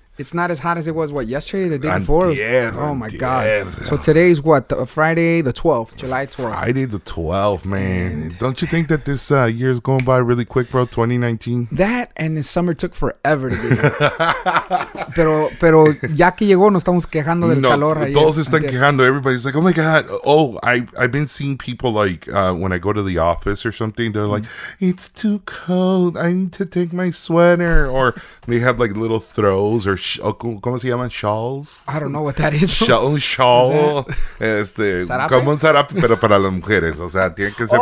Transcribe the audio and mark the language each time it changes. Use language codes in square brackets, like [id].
[en] It's not as hot as it was, what, yesterday, the day before? Yeah. Oh, my God. So today's what, Friday the 12th, July 12th. Friday the 12th, man. And don't you think that this year is going by really quick, bro, 2019? That and the summer took forever to get here. [es] pero ya que llegó, nos estamos quejando del calor. No, todos están quejando. [en] Everybody's like, oh, my God. Oh, I've been seeing people, like, when I go to the office or something, they're like, it's too cold. I need to take my sweater. Or they have, like, little throws or [es] ¿cómo se llaman? [en] Shawls. I don't know what that is. [es] Shawl. Como un sarape, pero para las mujeres. O sea, tiene que ser fancy.